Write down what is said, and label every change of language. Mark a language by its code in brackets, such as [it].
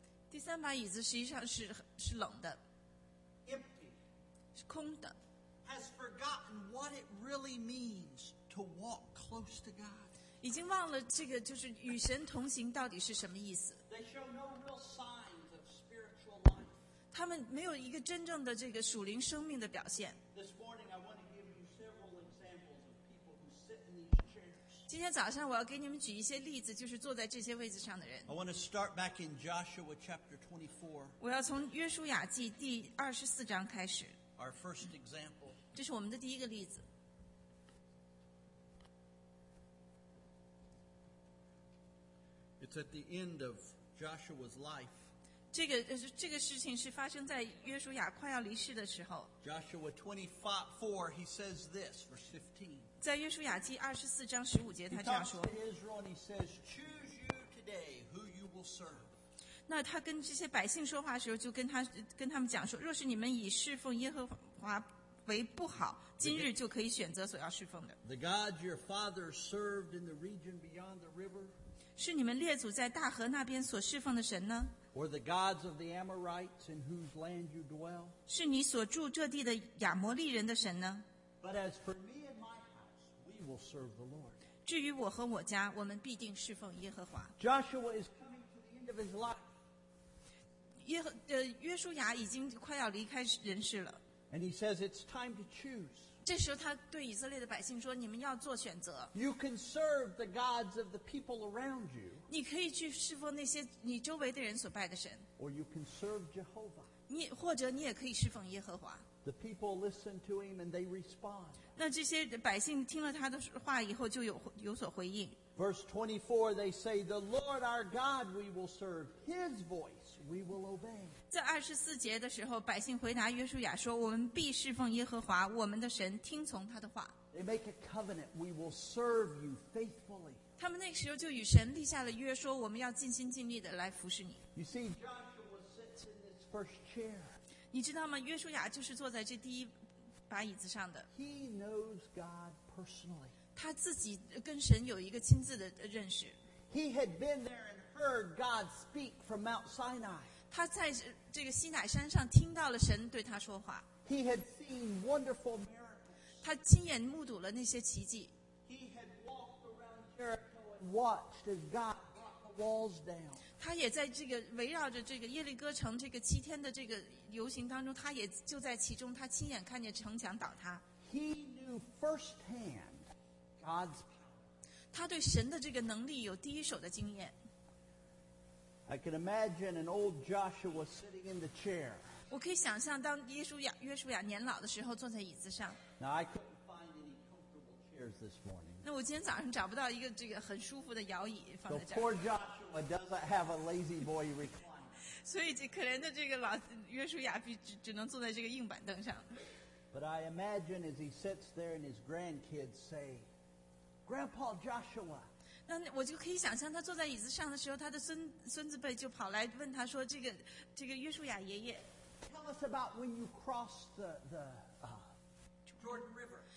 [zh] 第三把椅子实际上是冷的。是空的。 [en] Has forgotten what it really means to walk close to God. [zh] 已经忘了这个就是与神同行到底是什么意思。 [en] They show no real signs of spiritual life. [zh] 他们没有一个真正的这个属灵生命的表现。 [en] This morning I want to give you several examples of people who sit in these chairs. [zh] 今天早上我要给你们举一些例子，就是坐在这些位置上的人。 [en] I want to start back in Joshua chapter 24. [zh] 我要从约书亚记第二十四章开始。 [en] Our first example. [zh] 这是我们的第一个例子。 [en] It's at the end of Joshua's life. [zh] 这个事情是发生在约书亚快要离世的时候。 [en] Joshua 24, he says this, verse 15. [zh] 在约书亚记二十四章十五节，他这样说。 [en] He talks to Israel and he says, "Choose you today who you will serve." [zh] 那他跟这些百姓说话的时候，就跟他们讲说，若是你们以侍奉耶和华为不好，今日就可以选择所要侍奉的。 [en] The God your father served in the region beyond the river. [zh] 是你们列祖在大河那边所侍奉的神呢？ [en] Or the gods of the Amorites in whose land you dwell. [zh] 是你所住这地的亚摩利人的神呢？ [en] But as for me and my house, we will serve the Lord. [zh] 至于我和我家，我们必定侍奉耶和华。 [en] Joshua is coming to the end of his life. [zh] 约书亚已经快要离开人世了。 [en] And he says it's time to choose. [zh] 这时候他对以色列的百姓说：“你们要做选择。 [en] You can serve the gods of the people around you. [zh] 你可以去侍奉那些你周围的人所拜的神。 [en] Or you can serve Jehovah. [zh] 或者你也可以侍奉耶和华。 [en] The people listen to him and they respond. [zh] 那这些百姓听了他的话以后就有所回应。 [en] Verse 24, they say, "The Lord our God we will serve. His voice." We will obey. [zh] 在二十四节的时候，百姓回答约书亚说：“我们必侍奉耶和华，我们的神，听从他的话。” [en] They make a covenant. We will serve you faithfully. [zh] 他们那个时候就与神立下了约，说我们要尽心尽力的来服侍你。 [en] You see, Joshua sits in this first chair. [zh] 你知道吗？约书亚就是坐在这第一把椅子上的。 [en] He knows God personally. [zh] 他自己跟神有一个亲自的认识。 [en] He had been there and heard God speak from Mount Sinai. [zh] 他在这个西乃山上听到了神对他说话。 [en] He had seen wonderful miracles. [zh] 他亲眼目睹了那些奇迹。 [en] He had walked around Jericho and watched as God brought the walls down. [zh] 他也在这个围绕着这个耶利哥城这个七天的这个游行当中，他也就在其中，他亲眼看见城墙倒塌。 [en] He knew firsthand God's power. [zh] 他对神的这个能力有第一手的经验。 [en] I can imagine an old Joshua sitting in the chair. [zh] 我可以想象当约书亚年老的时候坐在椅子上。 [en] Now I couldn't find any comfortable chairs this morning. [zh] 那我今天早上找不到一个这个很舒服的摇椅放在这儿。 [en] So poor Joshua doesn't have a lazy boy recliner. [zh] 所以这可怜的这个老约书亚只能坐在这个硬板凳上。 [en] But I imagine as he sits there and his grandkids say. Grandpa Joshua. [zh] 那我就可以想象他坐在椅子上的时候，他的孙子辈就跑来问他说：“这个约书亚爷爷 [en] ，Tell us about when you crossed the Jordan River.